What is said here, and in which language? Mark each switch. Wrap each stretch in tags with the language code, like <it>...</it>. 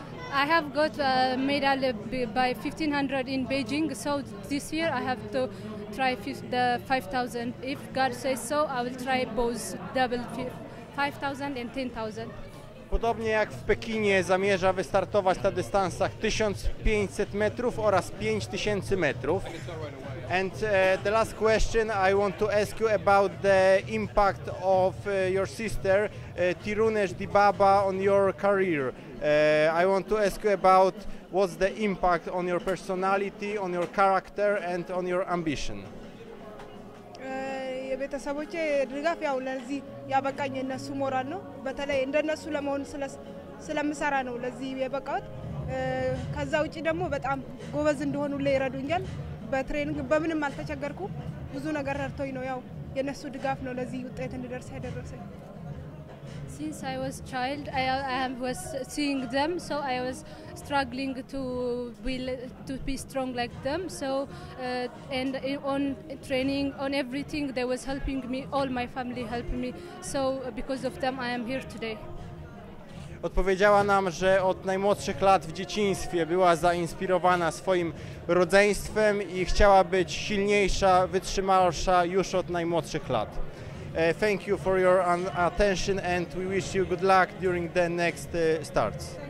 <en>I have got a medal by 1500 in Beijing, so this year I have to try the 5000. If God says so, I will try both double 5000 and 10000.</en> <pl>Podobnie jak w Pekinie zamierza wystartować na dystansach 1500 metrów oraz 5000 metrów.</pl> <en>And the last question I want to ask you about the impact of your sister Tirunesh Dibaba on your career. I want to ask you about what's the impact on your personality, on your character and on your ambition.</en> <am>የቤተሰቦቼ ድጋፍ ያው ለዚህ ያበቃኝ እነሱ ሞራል ነው። በተለይ እንደነሱ ለመሆን ስለምሰራ ነው ለዚህ የበቃሁት። ከዛ ውጪ ደግሞ በጣም ጎበዝ እንደሆኑ ይረዱኛል። በትሬኒንግ በምንም አልተቸገርኩ ብዙ ነገር ረድቶኝ ነው ያው የነሱ ድጋፍ ነው ለዚህ ውጤት እንድደርስ ያደረሰኝ</am> <en>since I was child I was seeing them so I was struggling to be strong like them so and on training on everything they was helping me all my family helped me so because of them I am here today</en> <pl>Odpowiedziała nam, że od najmłodszych lat w dzieciństwie była zainspirowana swoim rodzeństwem i chciała być silniejsza, wytrzymalsza już od najmłodszych lat.</pl> <en>Thank you for your attention and we wish you good luck during the next starts.</en>